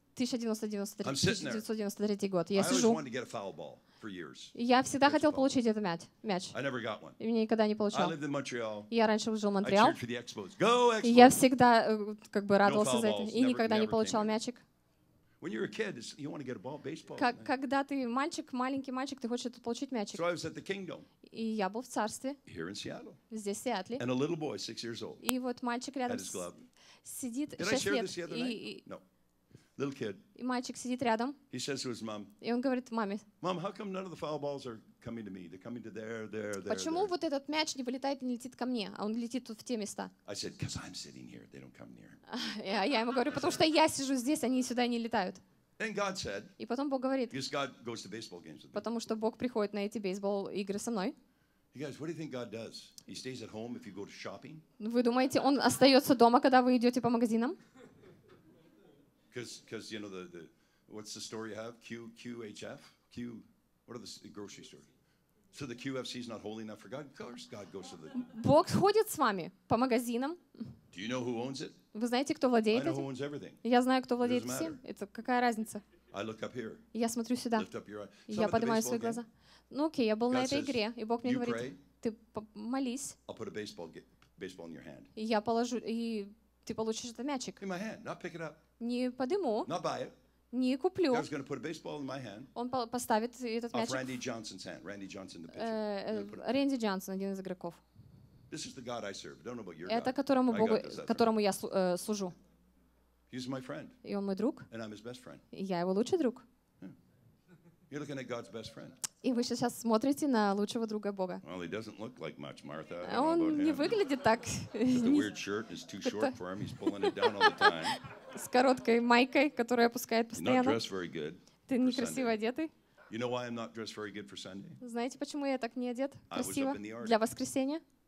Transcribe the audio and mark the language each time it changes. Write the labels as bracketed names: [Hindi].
[English] I'm sitting there. I always wanted to get a foul ball for years. [Russian] Я всегда хотел получить этот мяч. [English] I never got one. [Russian] И мне никогда не получал. [English] I lived in Montreal. [Russian] Я раньше жил в Монреале. [English] I cheered for the Expos. Go Expos. [Russian] Я всегда как бы радовался за это и никогда не получал мячик. [English] When you're a kid, you want to get a ball, baseball. [Russian] Когда ты мальчик, маленький мальчик, ты хочешь получить мячик. [English] So I was at the Kingdom. [Russian] И я был в царстве. [English] Here in Seattle. [Russian] Здесь, в Сиэтле. [English] And a little boy, 6 years old. [Russian] И вот мальчик рядом сидит, 6 лет. [English] No. Little kid. [Russian] И мальчик сидит рядом. [English] He says to his mom. [Russian] И он говорит маме. [English] Mom, how come none of the foul balls are coming to me? They're coming to there. [Russian] Почему вот этот мяч не вылетает и не летит ко мне, а он летит тут в те места? [English] I said, because I'm sitting here. They don't come near. [Russian] Я ему говорю, потому что я сижу здесь, они сюда не летают. [English] And God said. [Russian] И потом Бог говорит. [English] Because God goes to baseball games with me. [Russian] Потому что Бог приходит на эти бейсбол игры со мной. [English] You guys, what do you think God does? He stays at home if you go to shopping? [Russian] Вы думаете, он остается дома, когда вы идете по магазинам? [English] Because you know the what's the store you have? QHF? Q? What are the grocery stores? So the QFC is not holy enough for God? Of course, God goes to the. [Russian] Бог ходит с вами по магазинам. [English] Do you know who owns it? [Russian] Вы знаете, кто владеет этим? [English] I know who owns everything. [Russian] Я знаю, кто владеет всем. Это какая разница? [English] I look up here. [Russian] Я смотрю сюда. [English] Lift up your eyes. [Russian] Я поднимаю свои глаза. Ну окей, я был на этой игре, и Бог мне говорит: ты молись. [English] I'll put a baseball in your hand. [Russian] Я положу, и ты получишь этот мячик. [English] In my hand, not pick it up. [Russian] Не подыму, не куплю. [English] God's gonna put a baseball in my hand. [Russian] Он поставит этот мяч. [English] Randy Johnson's hand. Randy Johnson, the pitcher. [Russian] Рэнди Джонсон, один из игроков. [English] This is the God I serve. Don't know about your [Russian] это которому [English] God. [Russian] Богу, которому я служу. [English] He's my friend. [Russian] И он мой друг. [English] And I'm his best friend. [Russian] И я его лучший друг. [English] Yeah. You're looking at God's best friend. [Russian] И вы сейчас смотрите на лучшего друга Бога. [English] Well, he doesn't look like much, Martha. [Russian] Он не выглядит так. [English] The weird shirt is too short for him. He's pulling it down all the time. [Russian] С короткой майкой, которую опускает постоянно. Ты некрасиво одетый. Знаете, почему я так не одет красиво для воскресенья?